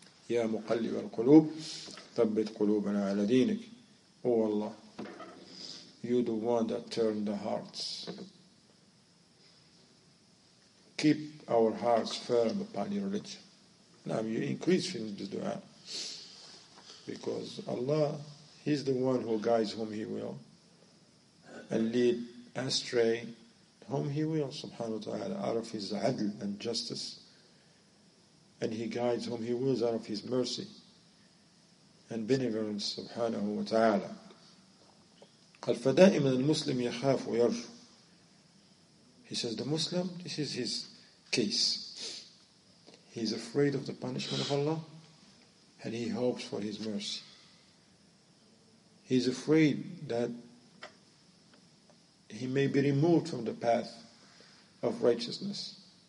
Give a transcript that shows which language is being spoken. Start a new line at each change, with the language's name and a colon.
Arabic: يا مقلب القلوب ثبت قلوبنا على دينك.
English: Oh Allah, you the one that turned the hearts, keep our hearts firm upon your religion. Now you increase in the dua, because Allah, He's the one who guides whom He will and lead astray whom He will, subhanahu wa ta'ala, out of His adl and justice. And He guides whom He wills out of His mercy and benevolence, subhanahu wa ta'ala.
Arabic: قال فدائما المسلم يخاف ويرجو.
English: He says, the Muslim, this is his case. He's afraid of the punishment of Allah, and he hopes for His mercy. He's afraid that he may be removed from the path of righteousness.